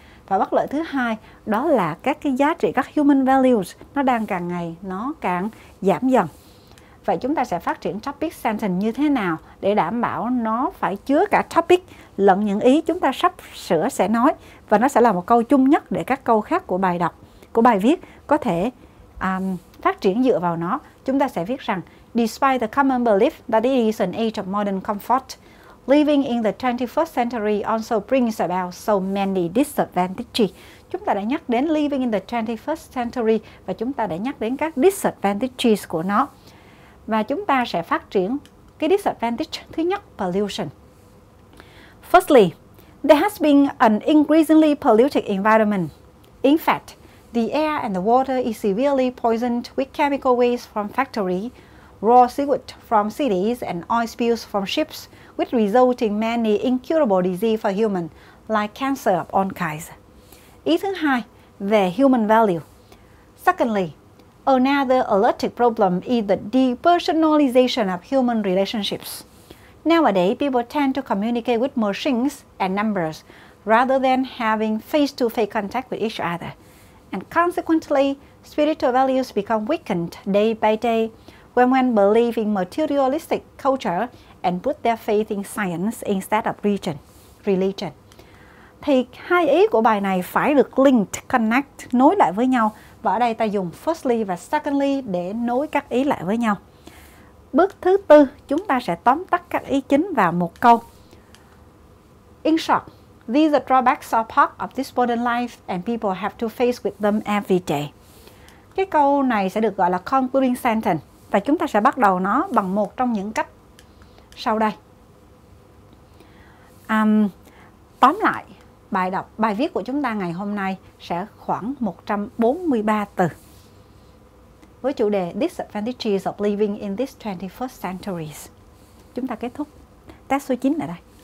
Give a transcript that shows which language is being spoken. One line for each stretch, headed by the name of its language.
Vietnamese: Và bất lợi thứ hai, đó là các cái giá trị, các human values, nó đang càng ngày, nó càng giảm dần. Vậy chúng ta sẽ phát triển topic sentence như thế nào để đảm bảo nó phải chứa cả topic lẫn những ý chúng ta sắp sửa sẽ nói, và nó sẽ là một câu chung nhất để các câu khác của bài đọc, của bài viết có thể phát triển dựa vào nó. Chúng ta sẽ viết rằng,
English: despite the common belief that it is an age of modern comfort, living in the 21st century also brings about so many disadvantages.
Vietnamese: Chúng ta đã nhắc đến
English: living in the 21st century
Vietnamese: và chúng ta đã nhắc đến các disadvantages của nó. Và chúng ta sẽ phát triển cái disadvantage thứ nhất, pollution.
English: Firstly, there has been an increasingly polluted environment. In fact, the air and the water is severely poisoned with chemical waste from factories, raw sewage from cities and oil spills from ships, which result in many incurable diseases for humans, like cancer on kinds.
Vietnamese: Ý thứ hai, về
English: human value. Secondly, another allergic problem is the depersonalization of human relationships. Nowadays, people tend to communicate with machines and numbers rather than having face-to-face contact with each other. And consequently, spiritual values become weakened day by day when one believes in materialistic culture and put their faith in science instead of religion.
Vietnamese: Thì hai ý của bài này phải được linked, connect, nối lại với nhau. Và ở đây ta dùng firstly và secondly để nối các ý lại với nhau. Bước thứ tư, chúng ta sẽ tóm tắt các ý chính vào một câu.
English: In short, these are drawbacks are part of this modern life and people have to face with them every day.
Vietnamese: Cái câu này sẽ được gọi là concluding sentence. Và chúng ta sẽ bắt đầu nó bằng một trong những cách sau đây. Tóm lại, bài đọc, bài viết của chúng ta ngày hôm nay sẽ khoảng 143 từ với chủ đề Disadvantages of Living in this 21st Century. Chúng ta kết thúc test số 9 ở đây.